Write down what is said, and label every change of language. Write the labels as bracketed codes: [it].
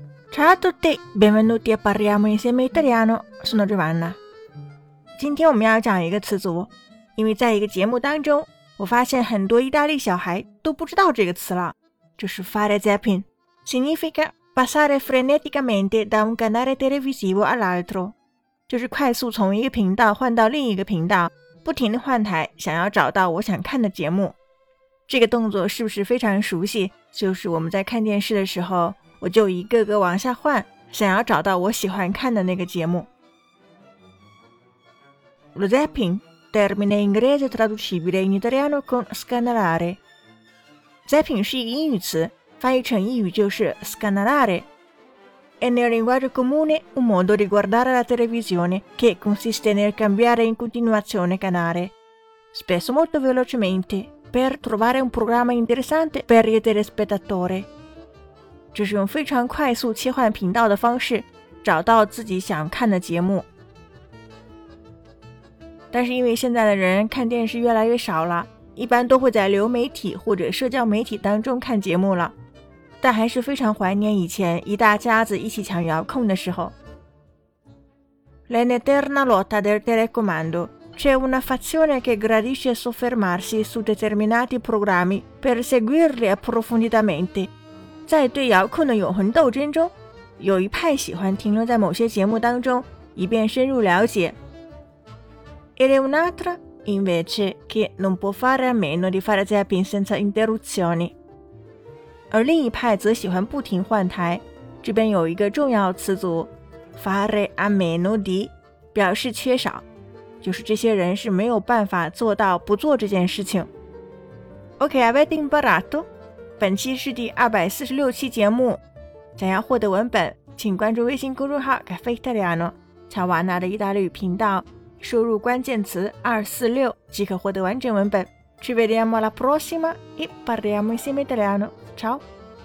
[it] Ciao a tutti, benvenuti a Parliamo Insieme Italiano, sono Giovanna. [zh] 今天我们要讲一个词组，因为在一个节目当中，我发现很多意大利小孩都不知道这个词了，就是 fare zapping， [it] significa passare freneticamente da un canale televisivo all'altro， [zh] 就是快速从一个频道换到另一个频道，不停地换台，想要找到我想看的节目。这个动作是不是非常熟悉？就是我们在看电视的时候，我就一个个往下换，想要找到我喜欢看的那个节目。 [it] Lo zapping, termine inglese traducibile in italiano con scanalare. [zh] Zapping 是一个英语词，翻译成英语就是 scanalare。 [it] È nel linguaggio comune un modo di guardare la televisione che consiste nel cambiare in continuazione canale, spesso molto velocemente, per trovare un programma interessante per il telespettatore. [zh] 就是用非常快速切换频道的方式找到自己想看的节目。但是因为现在的人看电视越来越少了，一般都会在流媒体或者社交媒体当中看节目了，但还是非常怀念以前一大家子一起抢遥控的时候。 [it] L'eterna lotta del telecomando c'è una fazione che gradisce soffermarsi su determinati programmi per seguirli approfonditamente。 [zh] 在对遥控的永恒斗争中，有一派喜欢停留在某些节目当中，以便深入了解。 [it] Ed è un'altra invece che non può fare a meno di fare zapping senza interruzioni。 [zh] 而另一派则喜欢不停换台。这边有一个重要词组 ，fare a meno di， 表示缺少，就是这些人是没有办法做到不做这件事情。 [it] OK, avete imparato? [zh] 本期是第246期节目，想要获得文本，请关注微信公众号 Caffè Italiano， 乔瓦纳的意大利语频道，输入关键词246即可获得完整文本。 [it] Ci vediamo alla prossima e parliamo insieme italiano. Ciao!